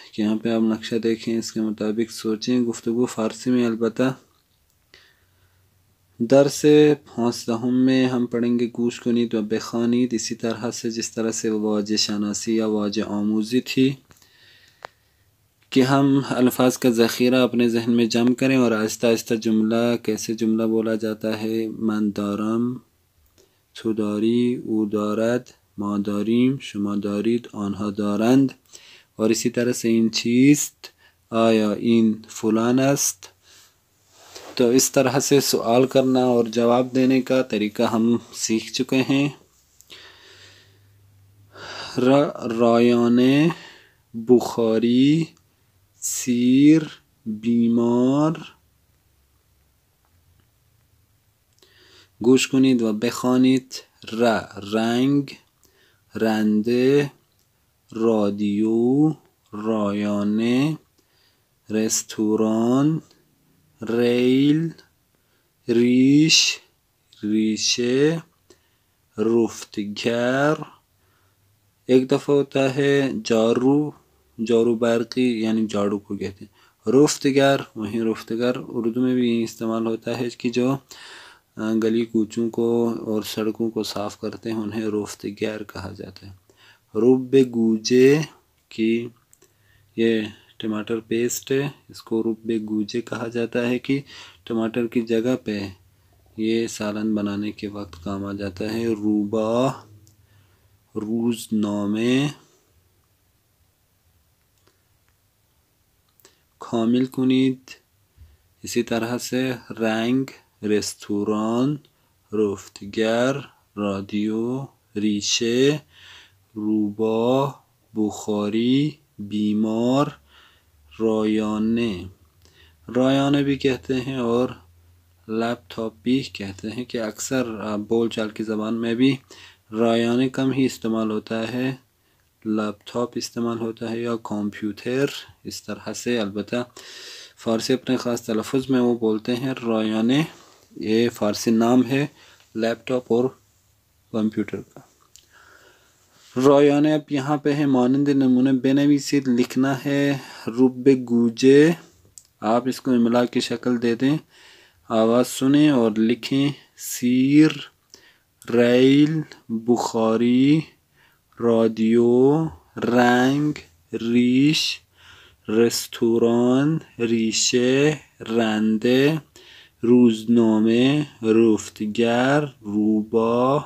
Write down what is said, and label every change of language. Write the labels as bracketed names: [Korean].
[Urdu] یہاں پہ آپ نقشہ دیکھیں، اس کے مطابق سوچیں. گفتگو فارسی میں، البتہ درس 15 میں ہم پڑھیں گے [Persian] گوش کنید و بخوانید، [Urdu] اسی طرح سے جس طرح سے واجہ شناسی یا واجہ آموزی تھی کہ ہم الفاظ کا ذخیرہ اپنے ذہن میں جم کریں اور آہستہ آہستہ جملہ کیسے جملہ بولا جاتا ہے. [Persian] من دارم، تو داری، او دارد، ما داریم، شما دارید، آنها دارند، [Urdu] اور اسی طرح سے [Persian] این چیست، آیا این فلان است. [Urdu] تو اس طرح سے سوال کرنا اور جواب دینے کا طریقہ ہم سیکھ چکے ہیں. [Persian] رایانه، بخاری، سیر، بیمار. گوش کنید و بخوانید. ر، رنگ، رنده، رادیو، رایانه، رستوران، ریل، ریش، ریشه، رفتگر. [Urdu] ایک دفعہ ہوتا ہے جارو، جارو برقی، یعنی جاڑو کو کہتے ہیں. رفتگر، وہیں رفتگر اردو میں بھی استعمال ہوتا ہے کہ جو گلی کوچوں کو اور سڑکوں کو صاف کرتے ہیں انہیں رفتگر کہا جاتا ہے. رب گوجے، کی یہ ٹماٹر پیسٹ ہے، اس کو رب گوجے کہا جاتا ہے کہ ٹماٹر کی جگہ پہ یہ سالن بنانے کے وقت کام آ جاتا ہے. [Persian] روبا، روز نامے. کامل کنید [Urdu] اسی طرح سے. [Persian] رنگ، رستوران، رفتگر، رادیو، ریشه، روبا، بخاری، بیمار، رایانه. [Urdu] رایانه بھی کہتے ہیں اور لیپ ٹاپ بھی کہتے ہیں، کہ اکثر بول چال کی زبان میں بھی رایانه کم ہی استعمال ہوتا ہے، لیپ ٹاپ استعمال ہوتا ہے یا کمپیوٹر. اس طرح سے البتہ فارسی اپنے خاص تلفظ میں وہ بولتے ہیں رایانه، یہ فارسی نام ہے لیپ ٹاپ اور کمپیوٹر کا. رایانه اب یہاں پہ ہے، [Persian] مانند نمونے بنویسید. [Urdu] لکھنا ہے رب گوجے، آپ اس کو املا کی شکل دے دیں، آواز سنیں اور لکھیں. [Persian] سیر، ریل، بخاری، رادیو، رنگ، ریش، رستوران، ریشه، رنده، روزنامه، رفتگر، روبا.